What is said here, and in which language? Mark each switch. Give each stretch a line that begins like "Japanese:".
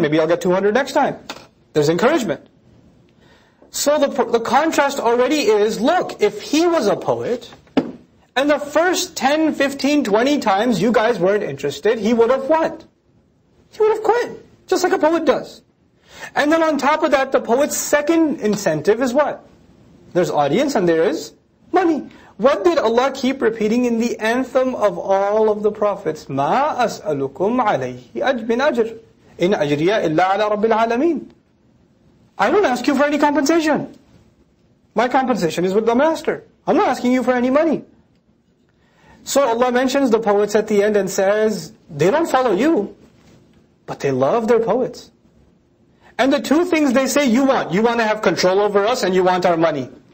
English: Maybe I'll get 200 next time. There's encouragement. So the contrast already is, look, if he was a poet, and the first 10, 15, 20 times you guys weren't interested, he would have what? He would have quit, just like a poet does. And then on top of that, the poet's second incentive is what? There's audience and there is money. What did Allah keep repeating in the anthem of all of the prophets?
Arabic: مَا أَسْأَلُكُمْ عَلَيْهِ أَجْبٍ أَجْرٍ إِنْ أَجْرِيَ إِلَّا عَلَىٰ رَبِّ الْعَالَمِينَ.
English: I don't ask you for any compensation. My compensation is with the master. I'm not asking you for any money. So Allah mentions the poets at the end and says, they don't follow you, but they love their poets. And the two things they say you want to have control over us and you want our money.